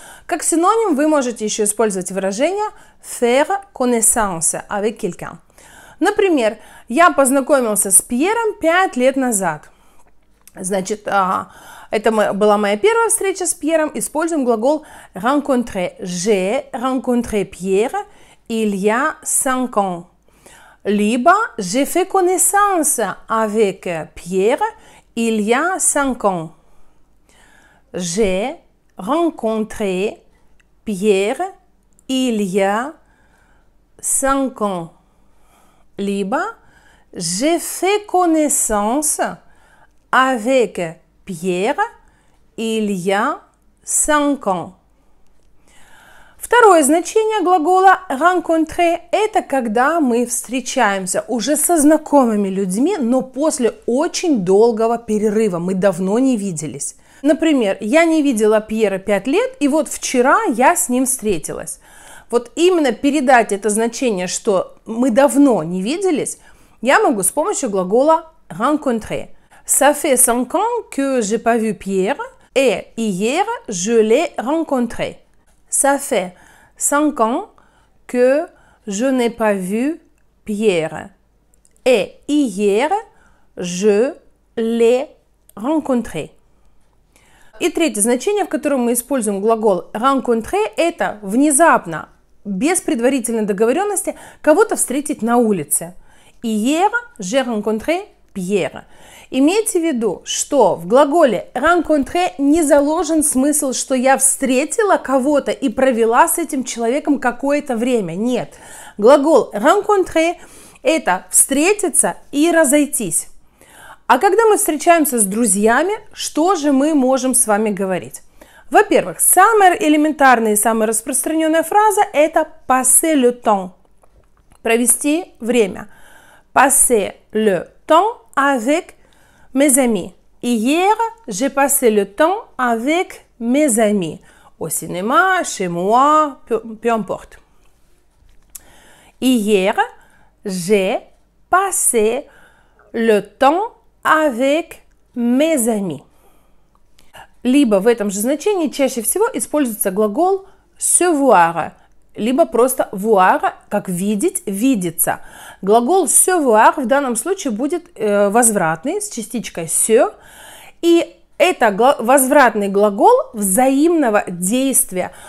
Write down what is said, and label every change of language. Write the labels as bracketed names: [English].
[Russian] Как синоним вы можете еще использовать выражение [French] «faire connaissance avec quelqu'un». [Russian] Например, я познакомился с Пьером 5 лет назад. Значит, это была моя первая встреча с Пьером. Используем глагол rencontrer. [French] J'ai rencontré Pierre il y a 5 ans. [Russian] Либо [French] j'ai fait connaissance avec Pierre il y a 5 ans. J'ai rencontré Pierre il y a 5 ans. [Russian] Либо [French] j'ai fait connaissance avec Pierre il y a 5 ans. [Russian] Второе значение глагола rencontrer – это когда мы встречаемся уже со знакомыми людьми, но после очень долгого перерыва, мы давно не виделись. Например, я не видела Пьера 5 лет, и вот вчера я с ним встретилась. Вот именно передать это значение, что мы давно не виделись, я могу с помощью глагола rencontrer. [French] Ça fait 5 ans que j'ai pas vu Pierre et hier je l'ai rencontré. Ça fait 5 ans que je n'ai pas vu Pierre et hier je l'ai rencontré. [Russian] И третье значение, в котором мы используем глагол rencontrer, это внезапно, без предварительной договоренности, кого-то встретить на улице. [French] Hier, j'ai rencontré Pierre. [Russian] Имейте в виду, что в глаголе rencontrer не заложен смысл, что я встретила кого-то и провела с этим человеком какое-то время. Нет. Глагол rencontrer – это встретиться и разойтись. А когда мы встречаемся с друзьями, что же мы можем с вами говорить? Во-первых, самая элементарная и самая распространенная фраза – это [French] «passer le temps» [Russian] – «провести время». [French] «Passer le temps avec mes amis». «Hier, j'ai passé le temps avec mes amis». «Au cinéma, chez moi, peu importe». «Hier, j'ai passé le temps avec mes amis». [Russian] Либо в этом же значении чаще всего используется глагол «se voir», либо просто «voir», как «видеть», «видеться». Глагол «se voir» в данном случае будет возвратный, с частичкой «se». И это возвратный глагол взаимного действия.